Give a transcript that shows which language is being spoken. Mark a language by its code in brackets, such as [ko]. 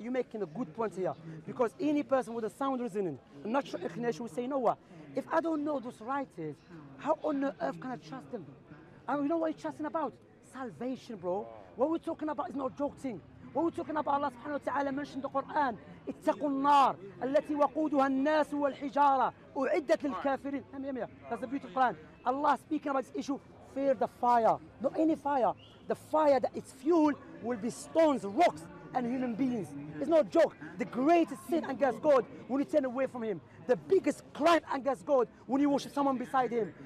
[en] You're making a good point here. Because any person with a sound reasoning, a natural inclination will say, you know what? If I don't know those writers, how on earth can I trust them? And you know what you're trusting about? Salvation, bro. What we're talking about is not joking. What we're talking about, Allah subhanahu wa ta'ala mentioned the Quran. [ar] اتقوا النار التي وقودها الناس والحجارة أعدت للكافرين. [en] That's the beautiful Quran. Allah speaking about this issue, fear the fire. Not any fire. The fire that is fuel will be stones, rocks, and human beings. It's no joke. The greatest sin against God when you turn away from Him. The biggest crime against God when you worship someone beside Him.